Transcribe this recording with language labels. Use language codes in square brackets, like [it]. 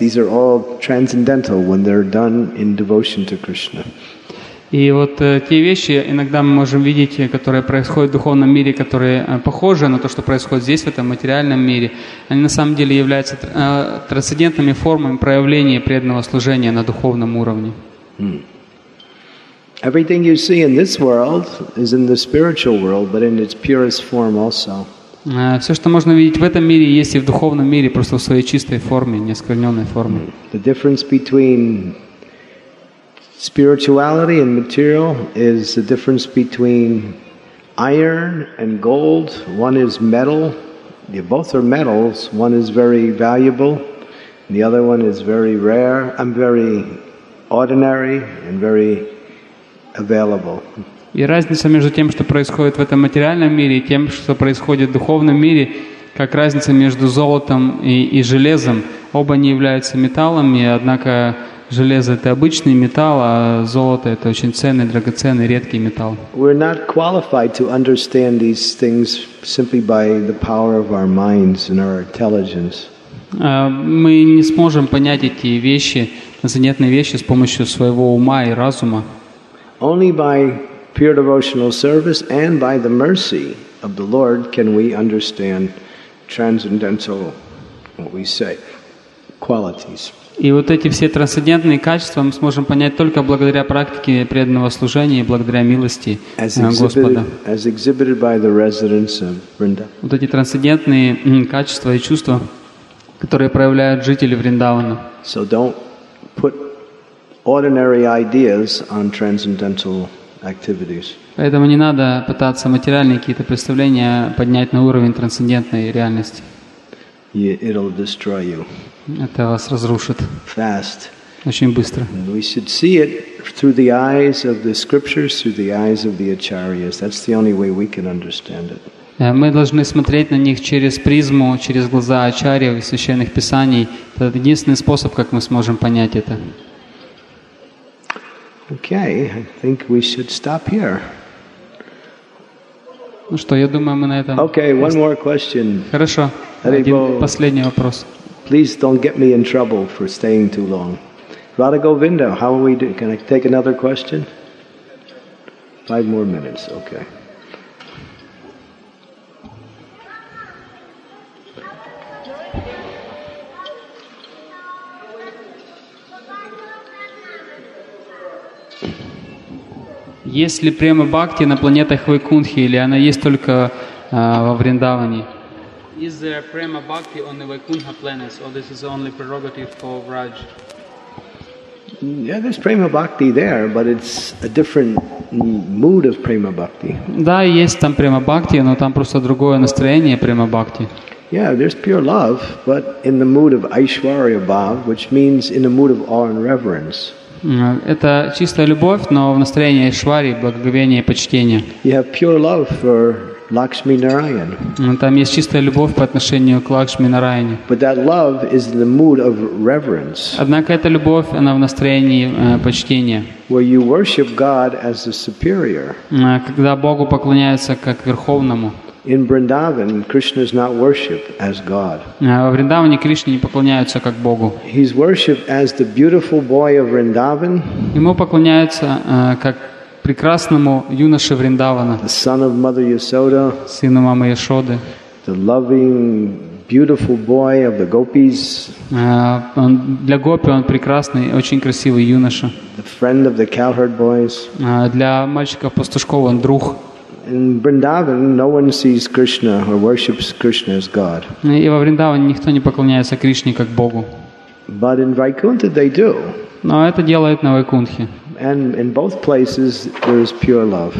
[en] These are all transcendental when they're done in devotion to Krishna. [ru] И вот те вещи иногда мы можем видеть, которые происходят в духовном мире, которые похожи на то, что происходит здесь, в этом материальном мире, они на самом деле являются трансцендентными формами проявления преданного служения на духовном уровне. [en] Everything you see in this world is in the spiritual world, but in its purest form also. [ru] Все, что можно видеть в этом мире, есть и в духовном мире, просто в своей чистой форме, неоскверненной форме. [en] The difference between spirituality and material is the difference between iron and gold. One is metal. Both are metals. One is very valuable. The other one is very rare. I'm very ordinary and very available. [ru] И разница между тем, что происходит в этом материальном мире, и тем, что происходит в духовном мире, как разница между золотом и железом. Оба они являются металлами, однако железо – это обычный металл, а золото – это очень ценный, драгоценный, редкий металл. [en] We're not qualified to understand these things simply by the power of our minds and our intelligence. [ru] Мы не сможем понять эти вещи занятные вещи с помощью своего ума и разума. [en] Only by pure devotional service and by the mercy of the Lord can we understand transcendental, what we say, qualities. [ru] И вот эти все трансцендентные качества мы сможем понять только благодаря практике преданного служения и благодаря милости Господа. [en] As exhibited by the residents of Vrindavan. [ru] Вот эти трансцендентные качества и чувства, которые проявляют жители Вриндавана. [en] So don't put ordinary ideas on transcendental activities. [ru] Поэтому не надо пытаться материальные какие-то представления поднять на уровень трансцендентной реальности. [en] It'll destroy you. [ru] Это вас разрушит. [en] Fast. [ru] Очень быстро. [en] And we should see it through the eyes of the scriptures, through the eyes of the acharyas. That's the only way we can understand it. [ru] Мы должны смотреть на них через призму, через глаза ачарьев и священных писаний. Это единственный способ, как мы сможем понять это. [en] Okay, I think we should stop here. [ru] Ну что, я думаю, мы на этом. [en] Okay, one more question. [ru] Хорошо. Один последний вопрос. [en] Please don't get me in trouble for staying too long. Radha Govinda, how are we doing? Can I take another question? 5 more minutes, okay. [ru] Есть ли према бхакти на планетах Вайкунтхи или она есть только во Вриндаване? [en] Is there prema bhakti on the Vaikuntha planets, or this is only prerogative for Vraj? Yeah, there's prema bhakti there, but it's a different mood of prema bhakti. [ru] Да, есть там prema bhakti, но там просто другое настроение prema bhakti. [en] Yeah, there's pure love, but in the mood of Aishwarya Bhav, which means in the mood of awe and reverence. [ru] Это чистая любовь, но в настроении Айшвари, благоговения и почтения. [en] You have pure love for Lakshmi Narayan. [ru] Там есть чистая любовь по отношению к Лакшми Нараяне. [en] But that love is in the mood of reverence. [ru] Однако эта любовь, она в настроении почтения. [en] Where you worship God as the superior. [ru] Когда Богу поклоняются как верховному. [en] In Vrindavan, Krishna is not worshipped as God. [ru] Во Вриндаване Кришне не поклоняются как Богу. [en] He's worshipped as the beautiful boy of Vrindavan. [ru] Ему поклоняются как прекрасному юноше Вриндавана. [en] The son of Mother Yashoda. [ru] Сыну мамы Яшоды. [en] The loving, beautiful boy of the gopis. [ru] Он для гопи он прекрасный, очень красивый юноша. [en] The friend of the cowherd boys. [ru] Для мальчиков пастушков он друг. [en] In Vrindavan, no one sees Krishna or worships Krishna as God. [ru] И во Вриндаване никто не поклоняется Кришне как Богу. [en] But in Vaikuntha, they do. [ru] Но это делают на Вайкунтхе. [en] And in both places, there is pure love.